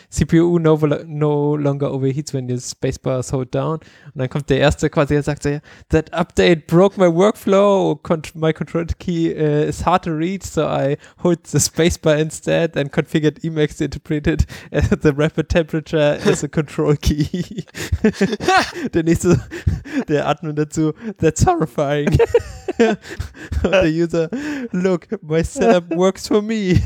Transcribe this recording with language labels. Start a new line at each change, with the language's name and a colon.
English: CPU no longer overheats when the spacebar is held down.
German: Und dann kommt der erste quasi und sagt so, ja,
English: that update broke my workflow. My control key is hard to reach, so I hold the spacebar instead and configured Emacs to interpret it as the rapid temperature as a control key.
German: Der nächste, der Admin dazu,
English: that's horrifying.
German: Und der User,
English: look, my setup works for me.